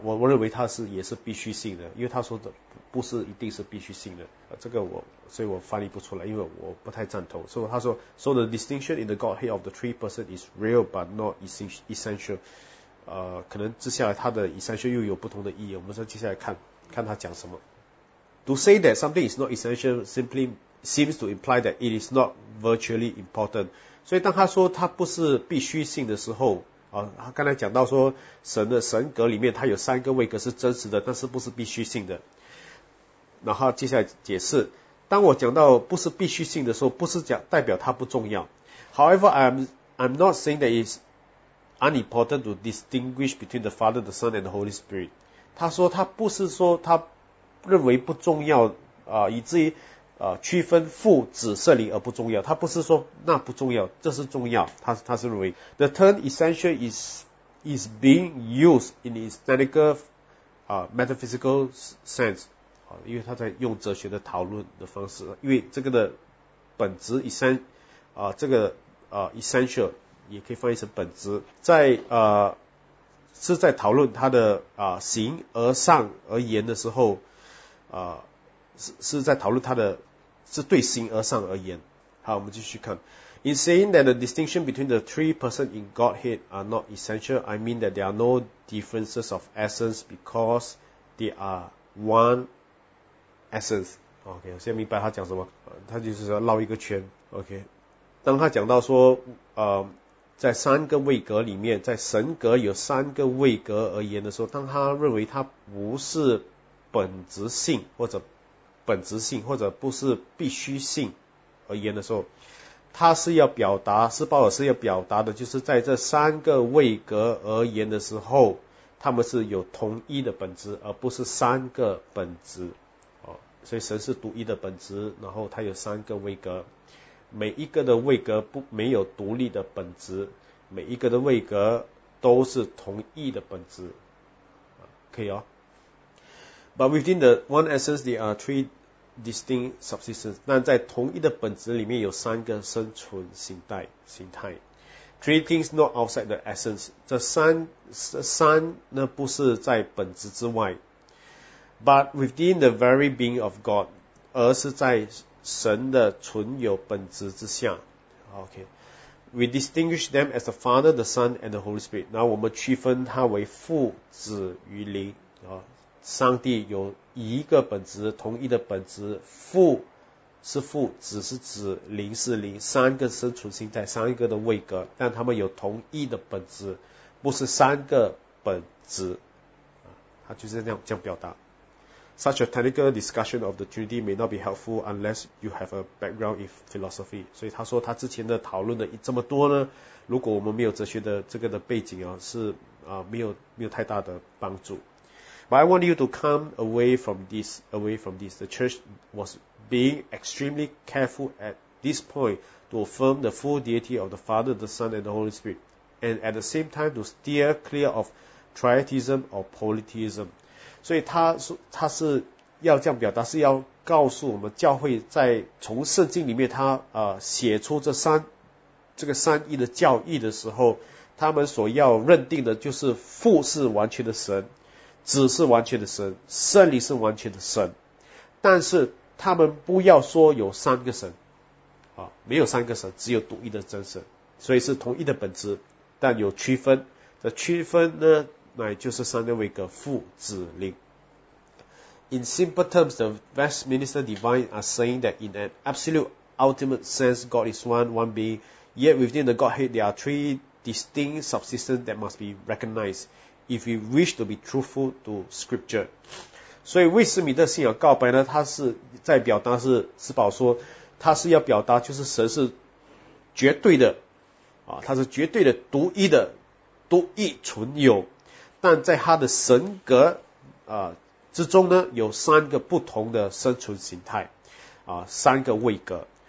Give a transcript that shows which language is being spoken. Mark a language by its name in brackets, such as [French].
[Chinese] 我认为他是也是必须性的，因为他说的不是一定是必须性的，这个所以我翻译不出来，因为我不太赞同。所以他说 [English] ，So the distinction in the Godhead of the three person is real but not essential. [Chinese] 可能接下来他的 essential 又有不同的意义，我们说接下来看看他讲什么。 [English] To say that something is not essential simply seems to imply that it is not virtually important. [Chinese] 所以当他说他不是必须性的时候，他刚才讲到说神的神格里面他有三个位格是真实的，但是不是必须性的。然后接下来解释，当我讲到不是必须性的时候，不是讲代表它不重要。 [English] However, I'm not saying that it's unimportant to distinguish between the Father, the Son, and the Holy Spirit. [Chinese] 他说他不是说他认为不重要，以至于区分父子圣灵而不重要。他不是说那不重要，这是重要。他是认为 [English] the term essential is being used in its technical, metaphysical sense. [Chinese] 因为他在用哲学的讨论的方式，因为这个的本质 essential 也可以翻译成本质，在是在讨论他的形而上而言的时候，是在讨论他的是对形而上而言。好，我们继续看。 [English] In saying that the distinction between the three persons in Godhead are not essential, I mean that there are no differences of essence because they are one. [Chinese] Essence, OK, 现在明白他讲什么，他就是要绕一个圈 ,OK。当他讲到说在三个位格里面，在神格有三个位格而言的时候，当他认为他不是本质性或者本质性或者不是必须性而言的时候，他是要表达，是鲍尔是要表达的，就是在这三个位格而言的时候，他们是有同一的本质，而不是三个本质。所以神是独一的本质，然后它有三个位格，每一个的位格不没有独立的本质，每一个的位格都是同一的本质，可以哦。 [English] But within the one essence, there are three distinct subsistences. [Chinese] 但在同一的本质里面有三个生存形态。 [English] Three things not outside the essence. [Chinese] 这三呢不是在本质之外。 [English] But within the very being of God, [Chinese] 而是在神的存有本质之下。 [English] Okay. We distinguish them as the Father, the Son, and the Holy Spirit. [Chinese] 那我们区分它为父、子与灵。上帝有一个本质，同一的本质。父是父，子是子，灵是灵，三个生存心态，三个的位格，但他们有同一的本质，不是三个本质。他就是这样表达。 [English] Such a technical discussion of the Trinity may not be helpful unless you have a background in philosophy. [Chinese] 所以他说他之前的讨论的这么多呢，如果我们没有哲学的这个的背景啊，是没有太大的帮助。 [English] But I want you to come away from this. The church was being extremely careful at this point to affirm the full deity of the Father, the Son, and the Holy Spirit, and at the same time to steer clear of triatism or polytheism. [Chinese] 所以他是要这样表达，是要告诉我们教会在从圣经里面他写出这个三一的教义的时候，他们所要认定的就是父是完全的神，子是完全的神，圣灵是完全的神，但是他们不要说有三个神，没有三个神，只有独一的真神，所以是同一的本质，但有区分。这区分呢？那就是三个位格，父、子、灵。 [English] In simple terms, the Westminster Divines are saying that in an absolute, ultimate sense, God is one being. Yet within the Godhead, there are three distinct subsistences that must be recognized if we wish to be truthful to Scripture. [Chinese] 所以威斯敏特信仰告白呢，他是在表达是斯宝说，他是要表达就是神是绝对的，他是绝对的独一的，独一存有。但在他的神格之中呢，有三个不同的生存形态，三个位格。